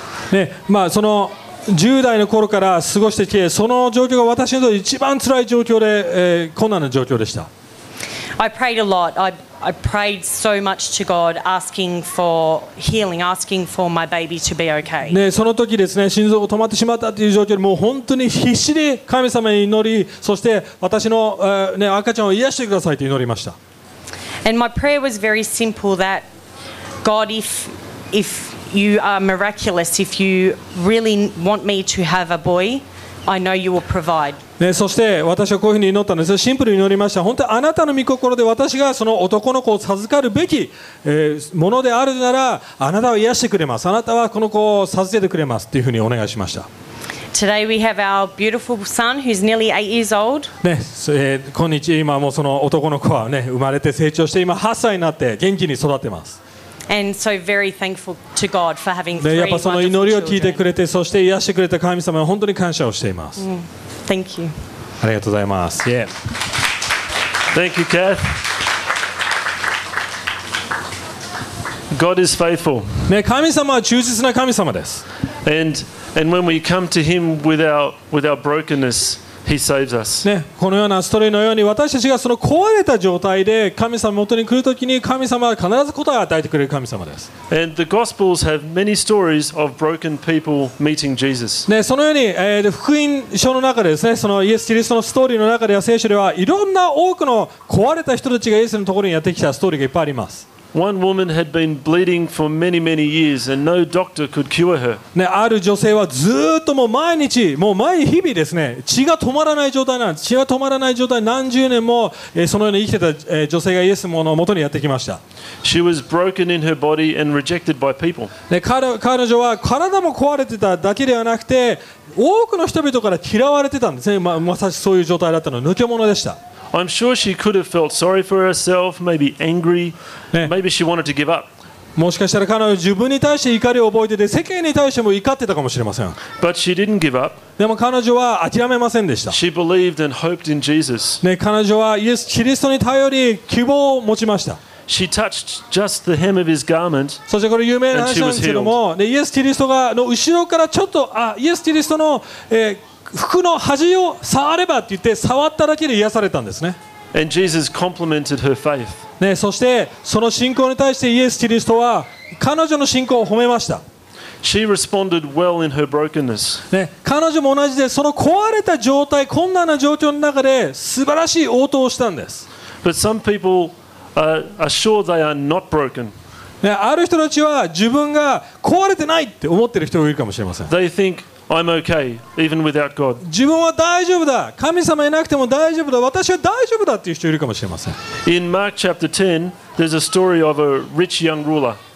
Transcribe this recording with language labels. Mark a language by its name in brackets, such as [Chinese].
[Japanese] で、その10代の頃から過ごしてきて、その状況が私にとって一番辛い状況で、困難な状況でした。 [English] I prayed a lot. I prayed so much to God, asking for healing, asking for my baby to be okay. [Japanese] ね、その時ですね、心臓が止まってしまったという状況で、もう本当に必死で神様に祈り、そして私の、ね、赤ちゃんを癒してくださいと祈りました。 [English] And my prayer was very simple that God, if you are miraculous, if you really want me to have a boy, I know you will provide. [Japanese] ね、そして私はこういうふうに祈ったんです。シンプルに祈りました。本当にあなたの御心で私がその男の子を授かるべき、ものであるならあなたは癒してくれます、あなたはこの子を授けてくれますというふうにお願いしました。 [English] Today we have our beautiful son who's nearly 8 years old、 [Japanese] ね、今日今もその男の子は、ね、生まれて成長して今8歳になって元気に育ってます。 [English] And so very thankful to God for having three wonderful children. [Japanese] やっぱその祈りを聞いてくれて、そして癒してくれた神様に本当に感謝をしています。 [English] Thank you. [Japanese] ありがとうございます。 [English] Yeah. Thank you, Kath. God is faithful. [Japanese] ね、神様は忠実な神様です。 [English] And when we come to Him with our brokenness, He saves us. [Japanese] ね、このようなストーリーのように私たちがその壊れた状態で神様の元に来るときに神様は必ず答えを与えてくれる神様です。 [English] And the Gospels have many stories of broken people meeting Jesus. [Japanese] ね、そのように、福音書の中でですね、そのイエス・キリストのストーリーの中では聖書ではいろんな多くの壊れた人たちがイエスのところにやってきたストーリーがいっぱいあります。 [English] One woman had been bleeding for many, many years, and no doctor could cure her. [Japanese] ね、ある女性はずっともう毎日、もう毎日々ですね、血が止まらない状態なんです。血が止まらない状態、何十年も、そのように生きてた、女性がイエスの元にやってきました。 [English] She was broken in her body and rejected by people. [Japanese] ね、彼女は体も壊れてただけではなくて、多くの人々から嫌われてたんですね。まさしくそういう状態だったの、抜け者でした。 [English] I'm sure she could have felt sorry for herself, maybe angry, maybe she wanted to give up. [Japanese] もしかしたら彼女は自分に対して怒りを覚えてて、世間に対しても怒ってたかもしれません。 [English] But she didn't give up. [Japanese] でも彼女は諦めませんでした。 [English] She believed and hoped in Jesus. [Japanese] ね、彼女はイエス・キリストに頼り、希望を持ちました。 [English] She touched just the hem of his garment. [Japanese] そしてこれ有名な話なんですけども、ね、イエス・キリストがの後ろからちょっと、イエス・キリストの、服の端を触ればって言って触っただけで癒されたんですね。 [English] And Jesus complimented her faith. [Japanese] ね、そしてその信仰に対してイエス・キリストは彼女の信仰を褒めました。 [English] She responded well in her brokenness. [Japanese] ね、彼女も同じでその壊れた状態、困難な状況の中で素晴らしい応答をしたんです。 [English] But some people are sure they are not broken. [Japanese] ね、ある人たちは自分が壊れてないって思ってる人がいるかもしれません。 [English] They thinkI'm okay, even without God. [Japanese] 自分は大丈夫だ。神様いなくても大丈夫だ。私は大丈夫だっていう人いるかもしれません。 [English] In Mark chapter 10, there's a story of a rich young ruler.